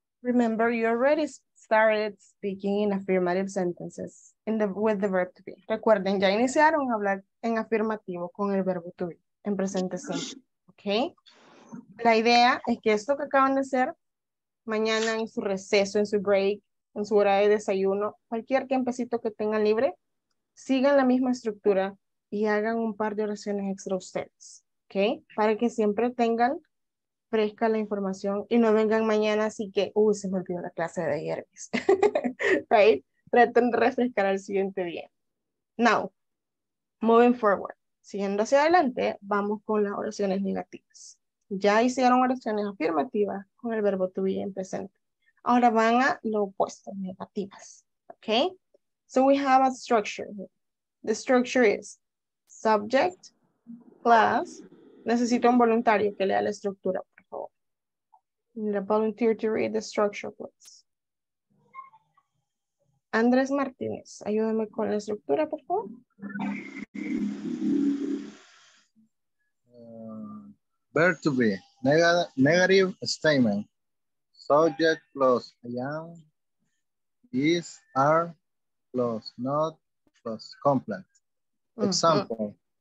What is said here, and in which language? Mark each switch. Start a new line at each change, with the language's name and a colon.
English: Remember, you already started speaking in affirmative sentences with the verb to be.
Spanish: Recuerden, ya iniciaron a hablar en afirmativo con el verbo to be, en presente simple. ¿Ok? La idea es que esto que acaban de hacer, mañana en su receso, en su break, en su hora de desayuno, cualquier tiempecito que tengan libre, sigan la misma estructura y hagan un par de oraciones extra ustedes, ¿ok? Para que siempre tengan fresca la información y no vengan mañana así que, se me olvidó la clase de ayer, ¿right? Traten de refrescar al siguiente día. Now, moving forward, siguiendo hacia adelante, vamos con las oraciones negativas. Ya hicieron oraciones afirmativas con el verbo to be en presente. Ahora van a lo opuesto, negativas. Okay?
English: So we have a structure. The structure is subject plus.
Spanish: Necesito un voluntario que lea la estructura, por favor.
English: Need a volunteer to read the structure, please.
Spanish: Andrés Martínez, ayúdame con la estructura, por favor.
English: Verb to be. Negative statement. Subject plus I am, is, are, plus not, plus complex. Example.